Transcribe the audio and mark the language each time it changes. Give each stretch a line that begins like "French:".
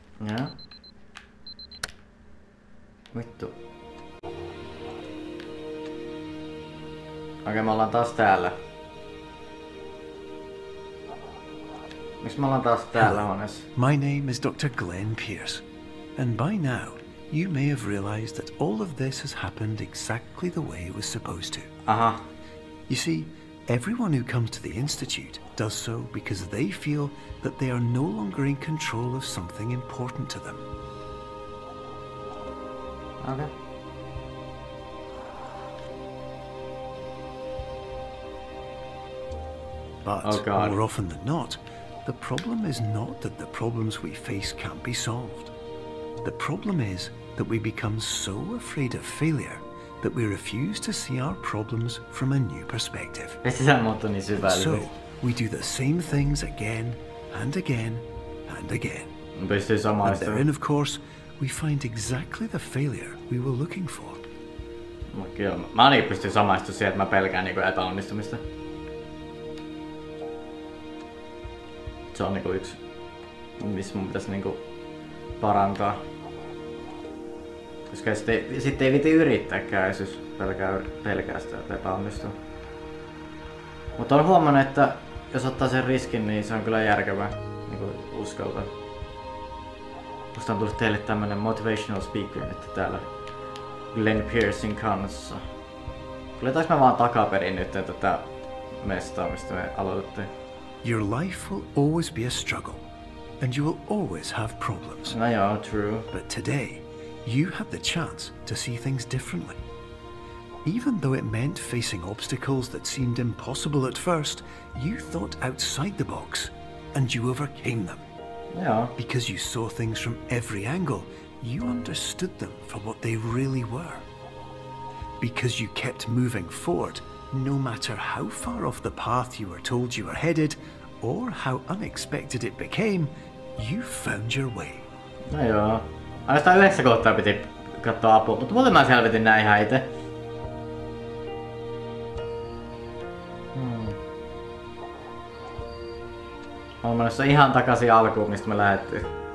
Finnish: Ja? Vittu. Okei, me ollaan taas täällä. Miks me ollaan taas täällä huoneessa?
English: My name is Dr. Glenn Pierce, and by now, you may have realized that all of this has happened exactly the way it was supposed to. Aha. You see, everyone who comes to the Institute does so because they feel that they are no longer in control of something important to them. Okay. But more often than not, the problem is not that the problems we face can't be solved. The problem is that we become so afraid of failure that we refuse to see our problems from a new perspective. So we do the same things again and again and again. And therein, of course, we find exactly the failure we were looking for.
Finnish: Mä ainakin pystyn samaistumaan siihen, että mä pelkään niinku epäonnistumista. Se on niinku yksi, missä mun pitäisi niinku parantaa. Koska sitten ei viti yrittääkään, jos pelkää sitä, että epäonnistuu. Mutta olen huomannut, että jos ottaa sen riskin, niin se on kyllä järkevää niinku uskaltaa. Musta on tullut teille tämmönen
English: motivational speaker
Finnish: nyt täällä Glenn Pearson kanssa. Kuljetaanko mä vaan takaperin nyt tätä mestaa, mistä me aloitettiin?
English: Your life will always be a struggle, and you will always have problems.
Finnish: No joo, true.
English: But today, you have the chance to see things differently. Even though it meant facing obstacles that seemed impossible at first, you thought outside the box, and you overcame them. Yeah. Because you saw things from every angle, you understood them for what they really were. Because you kept moving forward, no matter how far off the path you were told you were headed, or how unexpected it became, you found your way.
Finnish: No joo. Ainoastaan 9 kohtaa piti katsoa apua, mutta muuten mä selvitin näin ihan ite. Mä oon menossa ihan takaisin alkuun, mistä me lähdettiin.